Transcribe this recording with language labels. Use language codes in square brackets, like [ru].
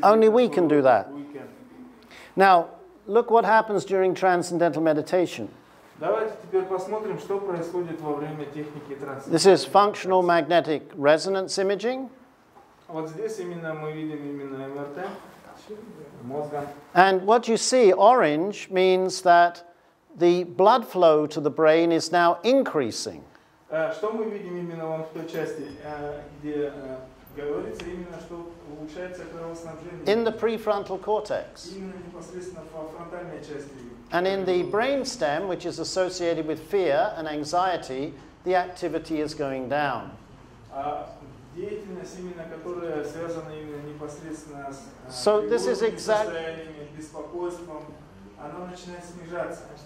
[en] Only we can do that. Now, look what happens during transcendental meditation. [ru] Давайте теперь посмотрим, что происходит во время техники трансцендентальной. [en] This is functional magnetic resonance imaging. [ru] Вот здесь именно мы видим именно МРТ мозга. [en] And what you see, orange, means that the blood flow to the brain is now increasing. [ru] Что мы видим именно вон в той части, где говорится именно, что улучшается кровоснабжение. [en] In the prefrontal cortex. [ru] Именно непосредственно в фронтальной части. [en] And in the brainstem, which is associated with fear and anxiety, the activity is going down. [ru] Деятельность именно, которая связана именно непосредственно с... [en] So this is exactly... [ru] ...беспокойством, оно начинает снижаться.